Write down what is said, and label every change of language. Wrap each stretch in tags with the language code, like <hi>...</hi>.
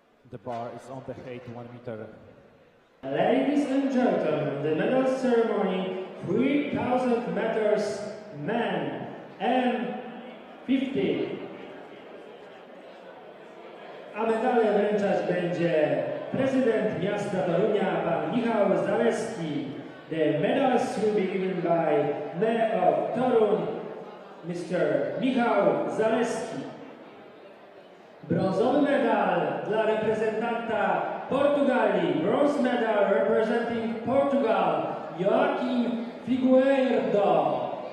<en>The bar is on the height 1 meter. Ladies and gentlemen, the medal ceremony 3000 meters men M50.</en> <pl>A medale wręczać będzie prezydent miasta Torunia, pan Michał Zaleski.</pl> <en>The medals will be given by Mayor of Torun, Mr. Michał Zaleski.</en> <pl>Brązowy medal dla reprezentanta Portugalii.</pl> <en>Bronze medal representing Portugal, Joaquim Figueiredo.</en>